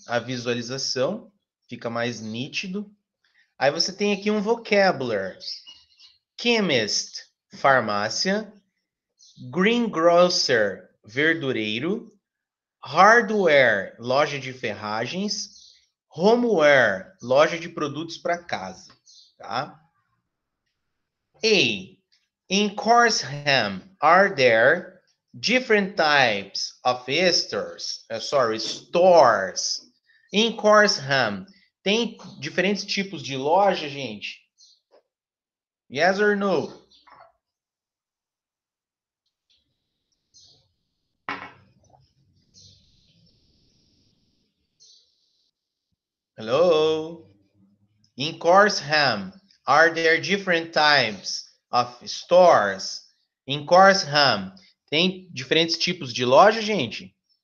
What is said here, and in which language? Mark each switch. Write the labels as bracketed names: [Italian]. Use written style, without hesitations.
[Portuguese] A visualização fica mais nítido. Aí você tem aqui um vocabulary: chemist, farmácia; greengrocer, verdureiro; hardware, loja de ferragens; homeware, loja de produtos para casa, tá? A. [English] In Corsham, are there different types of stores? [Portuguese] In Corsham, tem diferentes tipos de loja, gente? [English] Yes or no? Hello? In Corsham, are there different types of stores? [Portuguese] In Corsham, tem diferentes tipos de loja, gente?